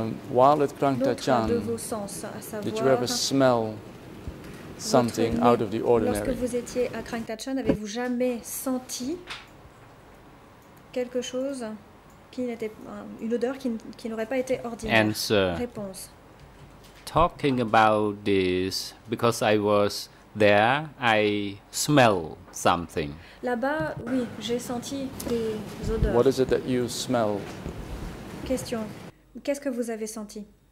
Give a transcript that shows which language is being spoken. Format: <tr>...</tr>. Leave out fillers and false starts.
<en>While at Krung Thachan, did you ever smell something out of the ordinary?</en> <fr>Lorsque vous étiez à Krung Thachan, avez-vous jamais senti quelque chose qui n'était une odeur qui n'aurait pas été ordinaire?</fr> <en>Answer.</en> <fr>Réponse.</fr> <en>Talking about this, because I was there, I smell something.</en> <fr>Là-bas, oui, j'ai senti des odeurs.</fr> <en>What is it that you smelled?</en> <fr>Question. Qu'est-ce que vous avez senti?</fr>